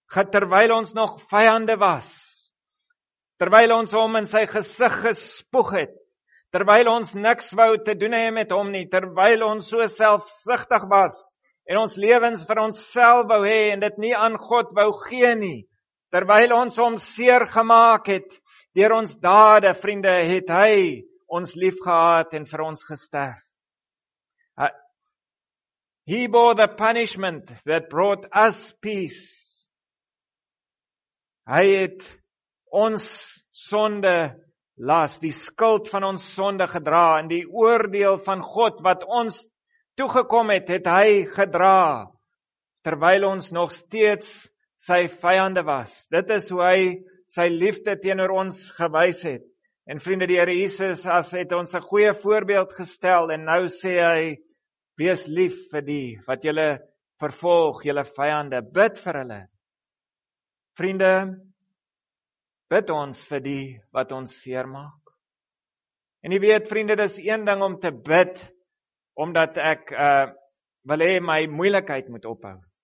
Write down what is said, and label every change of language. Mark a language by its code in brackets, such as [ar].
[af] Terwyl ons nog vyande was, terwyl ons hom in sy gesig gespoeg het, terwyl ons niks wou te doen hê met hom nie, terwyl ons so selfsugtig was, en ons lewens vir onsself wou hê en dit nie aan God wou gee nie, terwyl ons hom seer gemaak het, deur ons dade, vriende, het hy ons lief gehad en vir ons gesterf. [en] He bore the punishment that brought us peace. [af] Hy het ons sonde las, die skuld van ons sonde gedra, en die oordeel van God wat ons toegekom het, het hy gedra, terwyl ons nog steeds sy vyande was. Dit is hoe hy sy liefde teenoor ons gewys het. En vriende, die Here Jesus as het ons 'n goeie voorbeeld gestel, en nou sê hy, wees lief vir die wat julle vervolg, julle vyande, bid vir hulle. Vriende, bid ons vir die wat ons seer maak. En jy weet, vriende, dis een ding om te bid, omdat ek wil hê my moeilikheid moet ophou.